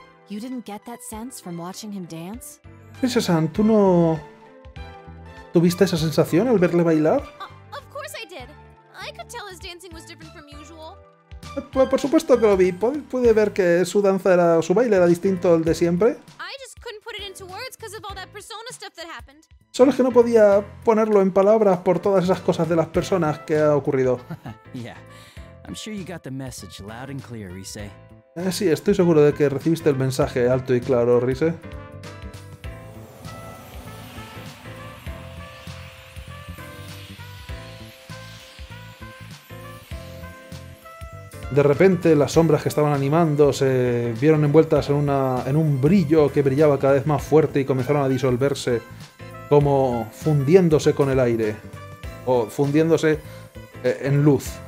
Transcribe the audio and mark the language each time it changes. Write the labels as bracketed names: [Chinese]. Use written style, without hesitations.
[English] You didn't get that sense from watching him dance? [Spanish] Rise-san, ¿tú no tuviste esa sensación al verle bailar? [English] Of course I did. I could tell his dancing was different from usual. [Spanish] Por supuesto que lo vi. Pude ver que su danza era, su baile era distinto al de siempre. [English] I just couldn't put it into words because of all that persona stuff that happened. [Spanish] Solo es que no podía ponerlo en palabras por todas esas cosas de las personas que ha ocurrido. [English] Yeah, I'm sure you got the message loud and clear, Rise. [Spanish] Sí, estoy seguro de que recibiste el mensaje alto y claro, Rise. De repente, las sombras que estaban animando se vieron envueltas en un brillo que brillaba cada vez más fuerte y comenzaron a disolverse, como fundiéndose con el aire, o fundiéndose en luz.